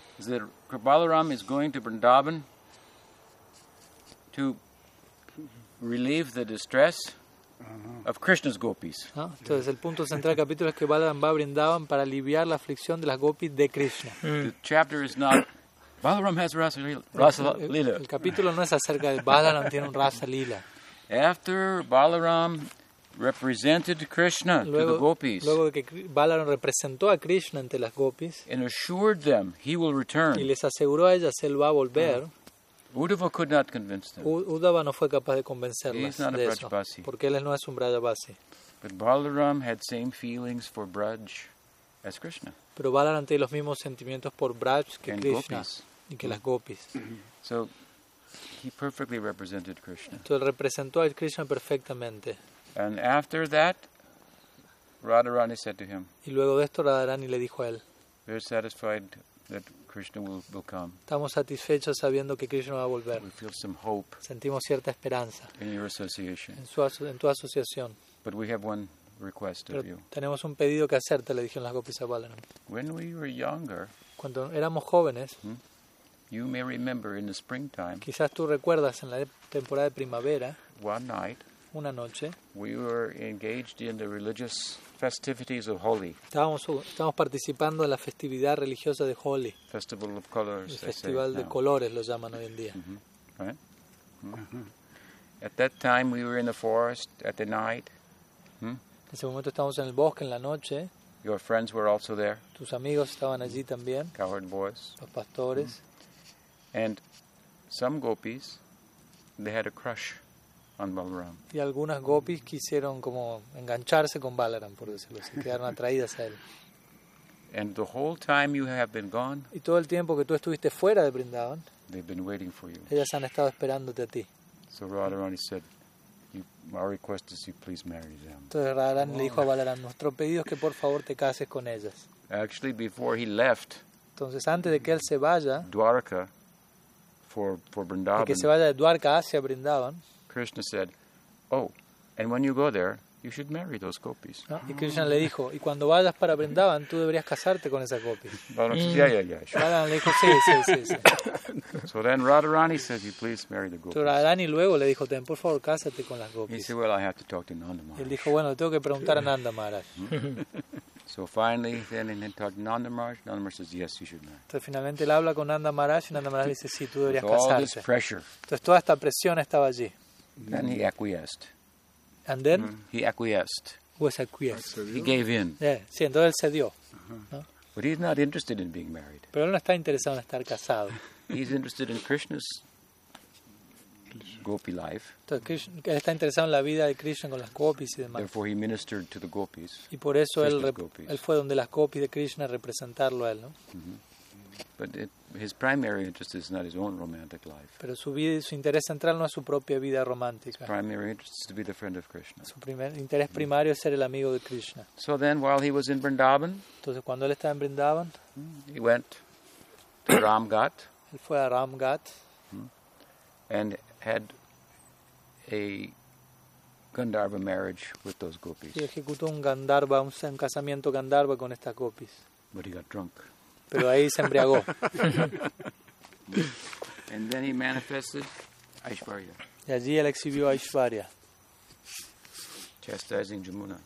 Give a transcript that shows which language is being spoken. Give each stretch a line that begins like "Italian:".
English: Is that Balaram is going to Vrindavan to relieve the distress of Krishna's gopis.
Spanish: ¿No? Entonces el punto central del capítulo es que Balaram va a Vrindavan para aliviar la aflicción de las gopis de Krishna.
English: The chapter is not Balaram has Rasa Lila.
Spanish: El capítulo no es acerca de Balaram tiene un Rasa Lila.
English: After Balaram represented Krishna
Spanish: luego,
English: to the gopis.
Spanish: Luego de que Balaram representó a Krishna ante las gopis.
English: And assured them he will return.
Spanish: Y les aseguró a ellas él va a volver.
English: Uddhava could not convince them.
Spanish: Uddhava no fue capaz de convencerlas de eso.
English: Brajbasi.
Spanish: Porque él no es un Brajbasi.
English: But Balaram had same feelings for Braj as Krishna.
Spanish: Pero Balaram tenía los mismos sentimientos por Braj que
English: and Krishna gopis.
Spanish: Y que las gopis.
English: So he perfectly represented Krishna.
Spanish: Entonces representó a Krishna perfectamente.
English: And after that, Radharani said to him.
Spanish: Y luego de esto, Radharani le dijo a él.
English: We are satisfied that Krishna will come.
Spanish: Estamos satisfechos sabiendo que Krishna va a volver.
English: We feel some hope.
Spanish: Sentimos cierta esperanza.
English: In your association.
Spanish: En tu asociación.
English: But we have one request
Spanish: Pero
English: of you.
Spanish: Tenemos un pedido que hacerte, le dijeron las gopis a Balaram.
English: When we were younger.
Spanish: Cuando éramos jóvenes.
English: You may remember in the springtime.
Spanish: Quizás tú recuerdas en la temporada de primavera.
English: One night.
Spanish: Una noche,
English: we were engaged in the religious festivities of Holi.
Spanish: Estábamos participando en la festividad religiosa de Holi.
English: Festival of colors.
Spanish: El festival de colores lo llaman hoy en día. Mm-hmm. Right? Mm-hmm.
English: At that time we were in the forest at the night.
Spanish: En ese momento estábamos en el bosque en la noche.
English: Your friends were also there.
Spanish: Tus amigos estaban allí también.
English: Cowherd boys.
Spanish: Los pastores.
English: Mm-hmm. And some gopis, they had a crush.
Spanish: Y algunas gopis quisieron como engancharse con Balaram, por decirlo así, quedaron atraídas a él.
English: And the whole time you have been gone,
Spanish: y todo el tiempo que tú estuviste fuera de Vrindavan,
English: they've been waiting for you.
Spanish: Ellas han estado esperándote a ti.
English: So Radharani said, our request is you please marry them.
Spanish: Entonces Radharani le dijo a Balaram, nuestro pedido es que por favor te cases con ellas.
English: Actually, before he left,
Spanish: entonces antes de que él se vaya,
English: Dwarka, for Vrindavan,
Spanish: de que se vaya de Dwarka hacia Vrindavan,
English: Krishna said, "Oh, and when you go there, you should marry those gopis."
Spanish: Y Krishna le dijo, "Y cuando vayas para Vrindavan, tú deberías casarte con esas gopis."
English: Balaram said, "Yeah, yeah, yeah." Sure.
Spanish: Balaram le dijo, "Sí, sí, sí, sí."
English: So then Radharani says, "You please marry the gopis."
Spanish: Radharani luego le dijo, "Ten, por favor, cásate con las gopis."
English: He said, "Well, I have to talk to Nanda Maharaj."
Spanish: Él dijo, "Bueno, tengo que preguntar a Nanda Maharaj."
English: So finally, then he talked to Nanda Maharaj. Nanda Maharaj says, "Yes, you should marry."
Spanish: Entonces finalmente él habla con Nanda Maharaj y Nanda Maharaj le dice, "Sí, tú deberías casarte."
English: All this pressure.
Spanish: Entonces toda esta presión estaba allí.
English: Then he acquiesced. And then? He acquiesced. Was acquiesced. He gave in.
Spanish: Yeah. Sí, entonces él cedió.
English: But he's not interested in being married.
Spanish: Pero él no está interesado en estar casado.
English: He's interested in Krishna's gopi life.
Spanish: Entonces, Krishna, él está interesado en la vida de Krishna con las gopis y demás.
English: Therefore he ministered to the gopis.
Spanish: Y por eso él fue donde las gopis de Krishna a representarlo a él, ¿no?
English: But his primary interest is not his own romantic life.
Spanish: Pero su vida, su interés central no es su propia vida romántica.
English: His primary interest is to be the friend of Krishna.
Spanish: Su primer interés primario es ser el amigo de Krishna.
English: So then, while he was in Vrindavan,
Spanish: entonces cuando él estaba en Vrindavan,
English: he went to Ramgat.
Spanish: Él fue a Ramgat.
English: And had a Gandharva marriage with those gopis.
Spanish: Y ejecutó un Gandharva, un casamiento Gandharva con estas gopis.
English: But he got drunk.
Spanish: Pero ahí se embriagó.
English: And then he manifested Aishwarya.
Spanish: Y allí él exhibió Aishwarya.
English: Chastising Jamuna.